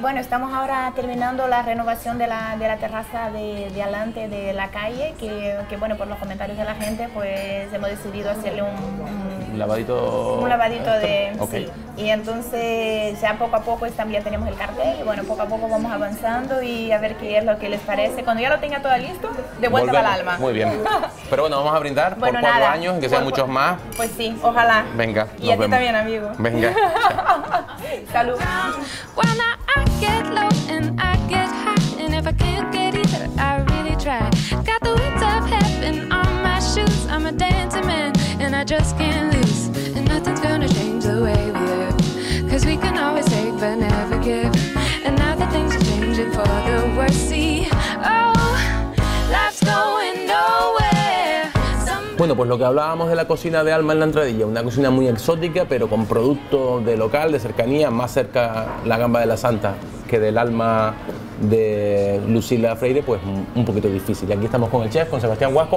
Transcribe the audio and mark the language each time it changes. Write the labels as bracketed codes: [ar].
[es] Bueno, estamos ahora terminando la renovación de la terraza de adelante de la calle, que bueno, por los comentarios de la gente, pues hemos decidido hacerle un lavadito de... [en] Okay. [es] Sí. Y entonces ya poco a poco también ya tenemos el cartel, y bueno, poco a poco vamos avanzando y a ver qué es lo que les parece. Cuando ya lo tenga todo listo, de vuelta al alma. Muy bien. Pero bueno, vamos a brindar por 4 años, que sean muchos más. Pues sí, ojalá. Venga, y a ti también, amigo. Venga. Salud. [en] Cuando I get low and I get high, and if I can't get either, I really try. Got the wings of heaven on my shoes, I'm a dancing man and I just can't lose. And nothing's gonna change the way we live, 'cause we can always take but never give. And now that things are changing for the worse, see. Oh, life's going nowhere. [es] Bueno, pues lo que hablábamos de la cocina de Alma en la entradilla, una cocina muy exótica, pero con producto de local, de cercanía, más cerca la gamba de la Santa que del Alma de Lucila Freire, pues un poquito difícil. Y aquí estamos con el chef, con Sebastián Huasco.